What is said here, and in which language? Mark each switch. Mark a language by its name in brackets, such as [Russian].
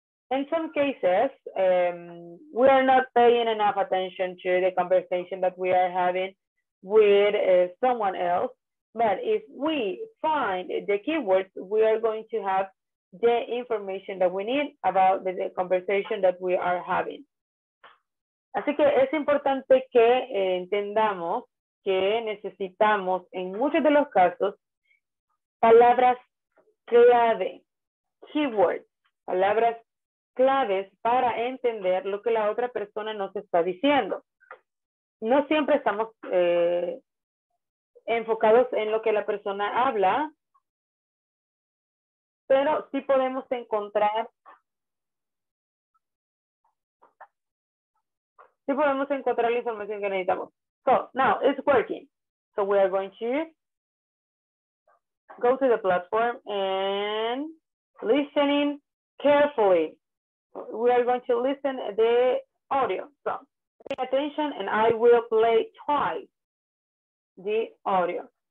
[English] In some cases, we are not paying enough attention to the conversation that we are having with someone else. But if we find the keywords, we are going to have the information that we need about the conversation that we are having. [Spanish] Así que es importante que entendamos que necesitamos, en muchos de los casos, palabras clave, keywords, palabras claves para entender lo que la otra persona nos está diciendo. No siempre estamos enfocados en lo que la persona habla, pero sí podemos encontrar la información que necesitamos. [English] So now it's working. So we are going to go to the platform and listening carefully. We are going to listen to the audio. So pay attention and I will play twice the audio.